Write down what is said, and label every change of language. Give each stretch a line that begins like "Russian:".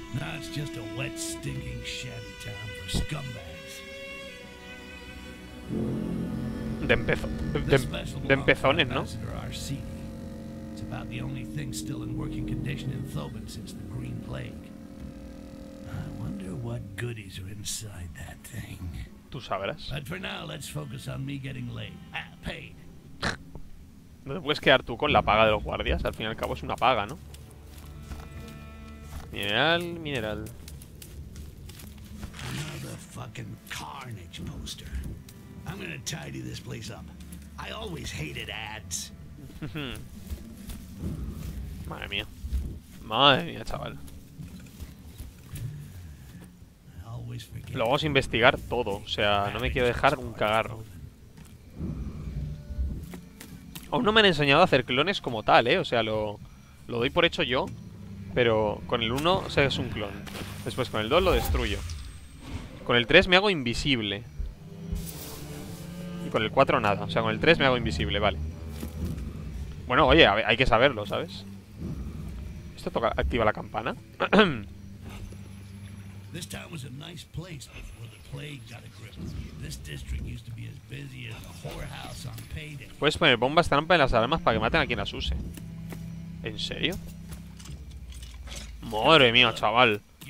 English: Now it's just a wet, stinking, shabby town for scumbags.
Spanish: De empezones, ¿no?
English: It's about the only thing still in working condition in Thoban since the Green Plague. I wonder what goodies are inside that thing.
Spanish: Tú sabrás.
English: But for now, let's focus on me getting laid. Paid.
Spanish: No te puedes quedar tú con la paga de los guardias. Al fin y al cabo es una paga, ¿no?
English: Mineral. Another fucking carnage poster. I'm gonna tidy this place up. I always hated ads.
Spanish: Madre mía, chaval. Lo vamos a investigar todo. O sea, no me quiero dejar un cagarro. aún no me han enseñado a hacer clones como tal, ¿eh? O sea, lo doy por hecho yo. Pero con el 1 se hace un clon. Después con el 2 lo destruyo. Con el 3 me hago invisible. Y con el 4 nada. O sea, con el 3 me hago invisible, vale. Bueno, oye, hay que saberlo, ¿sabes? Esto toca, activa la campana.
English: This town was a nice place before the plague got a grip. This district used to be as busy as a whorehouse on payday.
Spanish: Puedes poner bombas trampa en las alarmas para que maten a quien las use. ¿En serio? Madre mía, chaval.